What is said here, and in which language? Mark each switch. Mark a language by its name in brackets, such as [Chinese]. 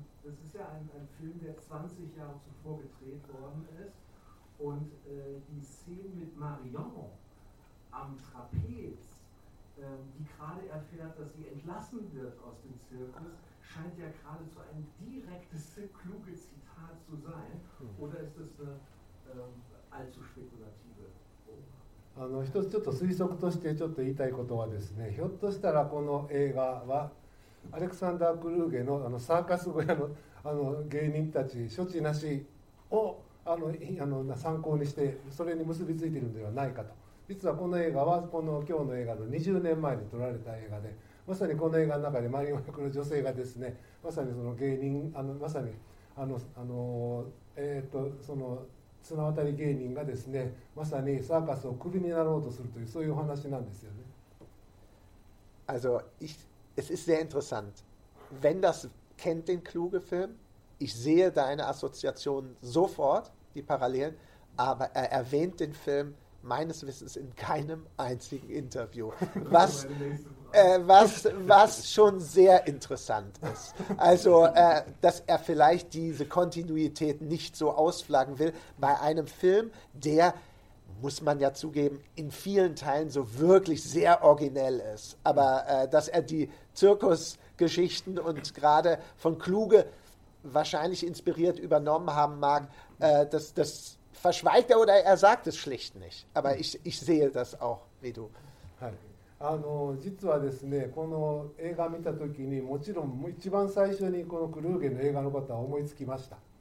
[German] Das ist ja ein Film, der 20 Jahre zuvor gedreht worden ist, und die Szene mit Marion am Trapez, die gerade erfährt, dass sie entlassen wird aus dem Zirkus, scheint ja geradezu ein direktes kluge Zitat zu sein, oder ist das eine allzu spekulative? [Japanese] 一つちょっと推測としてちょっと言いたいことはですね、ひょっとしたらこの映画はアレクサンダー・クルーゲの、サーカス小屋の、芸人たち処置なしを参考にしてそれに結びついているのではないかと。実はこの映画はこの今日の映画の20年前に撮られた映画で、まさにこの映画の中でマリオン役の女性がですね、まさにその芸人、まさにその綱渡り芸人がですね、まさにサーカスをクビになろうとするというそういうお話なんですよね。 [German] Also, es ist sehr interessant. Wenders kennt den Kluge-Film, ich sehe deine Assoziation sofort, die Parallelen, aber er erwähnt den Film meines Wissens in keinem einzigen Interview. Was schon sehr interessant ist. Also, dass er vielleicht diese Kontinuität nicht so ausflaggen will bei einem Film, der, muss man ja zugeben, in vielen Teilen so wirklich sehr originell ist. Aber dass er die Zirkusgeschichten und gerade von Kluge wahrscheinlich inspiriert übernommen haben mag, das verschweigt er oder er sagt es schlicht nicht. Aber ich sehe das auch, wie du. [Japanese] はい。実はですね、この映画見た時にもちろん一番最初にこのクルーゲの映画のことは思いつきました。